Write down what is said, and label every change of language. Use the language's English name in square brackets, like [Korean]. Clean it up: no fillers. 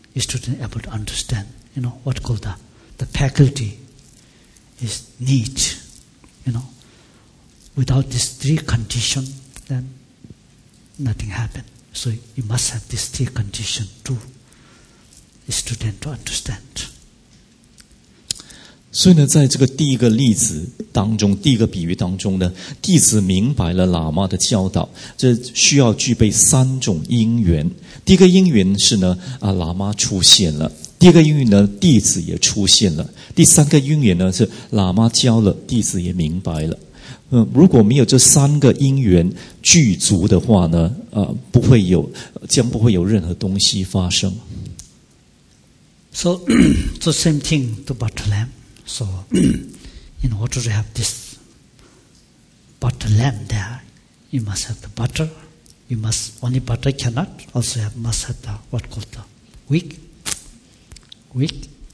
[English] Student able to understand, you know, what called the faculty is need, you know. Without these three conditions, then nothing happened. So you must have this three condition to the student to understand. [Chinese] 所以呢，在这个第一个例子当中，第一个比喻当中呢，弟子明白了喇嘛的教导，这需要具备三种因缘。第一个因缘是呢，啊，喇嘛出现了；第二个因缘呢，弟子也出现了；第三个因缘呢，是喇嘛教了，弟子也明白了。如果没有这三个因缘具足的话呢，不会有，将不会有任何东西发生。 [English] So, the same thing to Butter Lamb. So, in order to have this Butter Lamb there, you must have the butter. You must, only butter cannot, also have, must have the, what called the, wick. Wick.